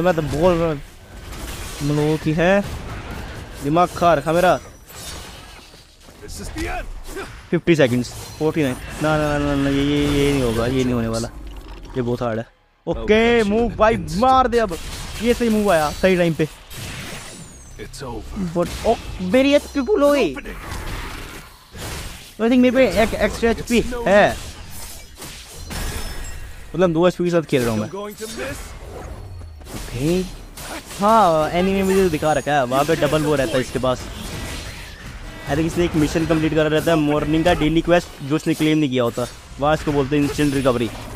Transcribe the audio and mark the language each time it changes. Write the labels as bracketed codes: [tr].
[hi] मैं तो बोल रहा मनो की है, दिमाग खा रखा मेरा। 50 सेकंड्स, 49। ना ना ना ना, ये नहीं होगा, ये नहीं होने वाला, ये बहुत हार्ड है। ओके मूव भाई, मार दे अब, ये सही मूव आया सही टाइम पे। [en] It's over. But oh, very much people away. I think maybe [hi] ek [en] extra HP [hi] hai. मतलब 2 HP के साथ खेल रहा हूँ मैं. [en] Okay. [hi] हाँ, anime में भी दिखा रखा है, वहाँ पे double वो रहता है इसके पास. [en] I think [hi] इसने एक [en] mission complete [hi] करा रहता है [en] morning [hi] का [en] daily quest [hi] जो उसने [en] claim [hi] नहीं किया होता, वहाँ इसको बोलते हैं [en] instant recovery.